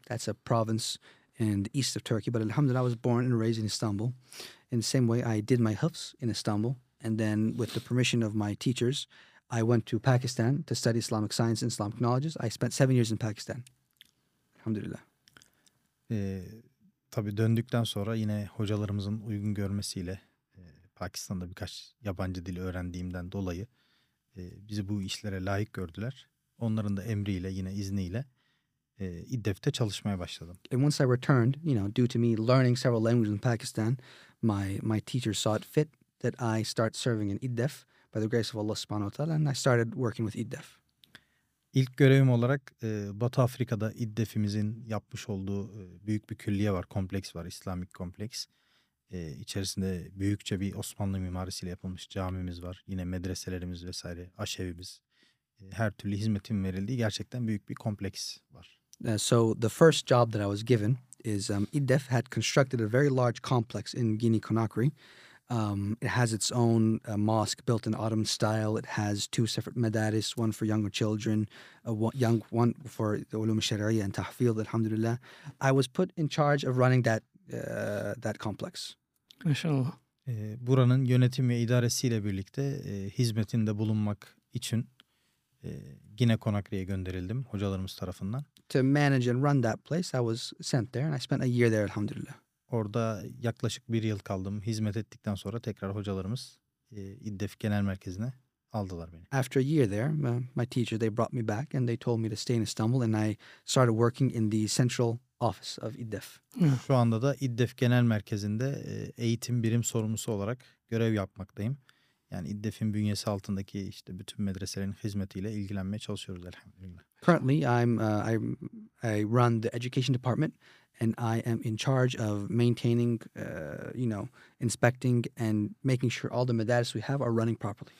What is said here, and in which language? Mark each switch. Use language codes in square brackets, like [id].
[en] That's a province in the east of Turkey. But alhamdulillah, I was born and raised in Istanbul. In the same way, I did my hıfz in Istanbul. And then with the permission of my teachers, I went to Pakistan to study Islamic science and Islamic knowledges. I spent 7 years in Pakistan. Alhamdulillah. [tr] Tabii döndükten sonra yine hocalarımızın uygun görmesiyle Pakistan'da birkaç yabancı dili öğrendiğimden dolayı bizi bu işlere layık gördüler. Onların da emriyle yine izniyle İDDEF'te çalışmaya başladım. [en] And once I returned, you know, due to me learning several languages in Pakistan, my teacher saw it fit that I start serving in İDDEF. By the grace of Allah subhanahu wa ta'ala, and I started working with İDDEF. [tr] İlk görevim olarak Batı Afrika'da İDDEF'imizin yapmış olduğu büyük bir külliye var, kompleks var, İslamik kompleks. İçerisinde büyükçe bir Osmanlı mimarisiyle yapılmış camimiz var. Yine medreselerimiz vesaire, aşevimiz, her türlü hizmetin verildiği gerçekten büyük bir kompleks var. [en] So the first job that I was given is İDDEF had constructed a very large complex in Guinea-Conakry. It has its own mosque built in Ottoman style. It has two separate madaris, one for younger children, one for the ulum shari'iyya and tahfidh, alhamdulillah. I was put in charge of running that that complex. [tr] Maşallah. Buranın yönetim ve idaresiyle birlikte hizmetinde bulunmak için yine Konakry'ye gönderildim hocalarımız tarafından. [en] To manage and run that place, I was sent there and I spent a year there, alhamdulillah. [tr] Orada yaklaşık bir yıl kaldım. Hizmet ettikten sonra tekrar hocalarımız İDDEF Genel Merkezi'ne aldılar beni. [en] After a year there, my teacher, they brought me back and they told me to stay in Istanbul and I started working in the central office of İDDEF. [tr] Şu anda da İDDEF Genel Merkezi'nde eğitim birim sorumlusu olarak görev yapmaktayım. Yani İDDEF'in bünyesi altındaki işte bütün medreselerin hizmetiyle ilgilenmeye çalışıyoruz elhamdülillah. [en] Currently I run the education department and I am in charge of maintaining inspecting and making sure all the madaris we have are running properly.